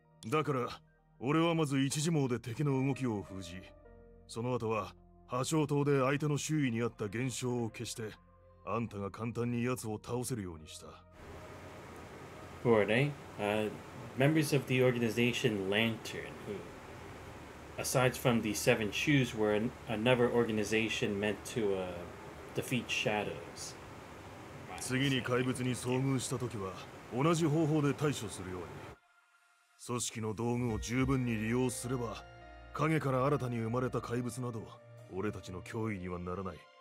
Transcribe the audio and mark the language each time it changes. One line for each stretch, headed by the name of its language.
Japanese: だから俺はまず一時網で敵の動きを封じ、その後は破傷刀で相手の周囲にあった現象を消して、あんたが簡単に奴を倒せるようにした。
English: Who are they? Members of the organization Lantern, who, aside from the Seven Shoes, were another organization meant to, defeat Shadows.
Japanese: 次に怪物に遭遇したときは、同じ方法で対処するように。組織の道具を十分に利用すれば、影から新たに生まれた怪物など、俺たちの脅威にはならない。